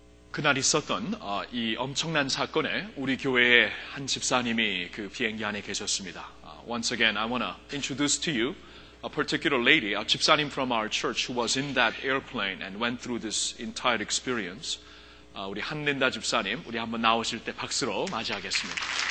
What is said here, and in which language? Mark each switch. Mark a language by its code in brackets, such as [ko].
[ko] 그날 있었던 이 엄청난 사건에 우리 교회의 한 집사님이 그 비행기 안에 계셨습니다. [en] Once again, I want to introduce to you a particular lady, a 집사님 from our church who was in that airplane and went through this entire experience. [ko] 우리 한린다 집사님, 우리 한번 나오실 때 박수로 맞이하겠습니다.